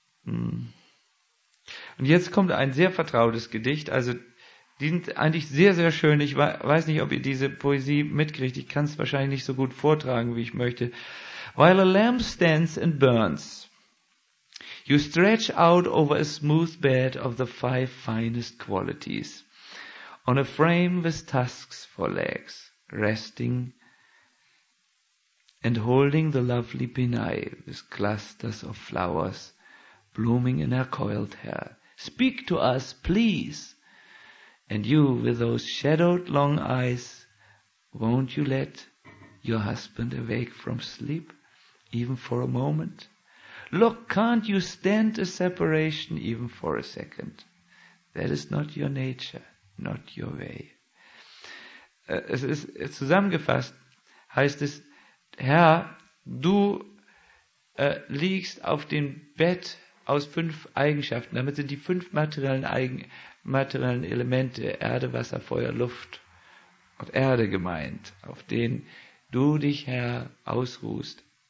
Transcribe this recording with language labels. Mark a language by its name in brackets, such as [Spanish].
[German] Und jetzt kommt ein sehr vertrautes Gedicht, also die sind eigentlich sehr, sehr schön. Ich weiß nicht, ob ihr diese Poesie mitkriegt. Ich kann es wahrscheinlich nicht so gut vortragen, wie ich möchte. [English] While a lamp stands and burns, you stretch out over a smooth bed of the five finest qualities, on a frame with tusks for legs, resting and holding the lovely pinai with clusters of flowers blooming in her coiled hair. Speak to us, please. And you, with those shadowed long eyes, won't you let your husband awake from sleep, even for a moment? Look, can't you stand a separation even for a second? That is not your nature, not your way. [German] Es ist zusammengefasst, heißt es, Herr, du liegst auf dem Bett aus 5 Eigenschaften. Damit sind die 5 materiellen Elemente, Erde, Wasser, Feuer, Luft und Erde gemeint, auf denen du dich, Herr, ausruhst.